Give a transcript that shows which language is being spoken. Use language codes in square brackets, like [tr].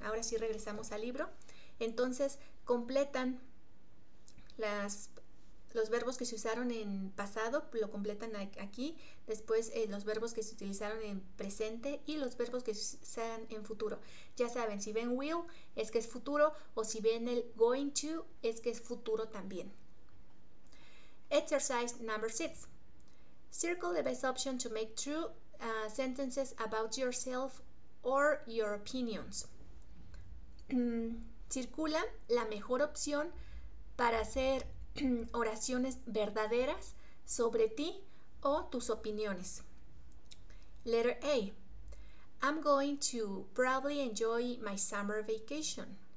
[es] Ahora sí regresamos al libro. Entonces completan los verbos que se usaron en pasado, lo completan aquí. Después los verbos que se utilizaron en presente y los verbos que se usan en futuro. Ya saben, si ven will es que es futuro o si ven el going to es que es futuro también. [en] Exercise number 6. Circle the best option to make true sentences about yourself or your opinions. [es] Circula la mejor opción para hacer oraciones verdaderas sobre ti o tus opiniones. [en] Letter A. I'm going to probably enjoy my summer vacation.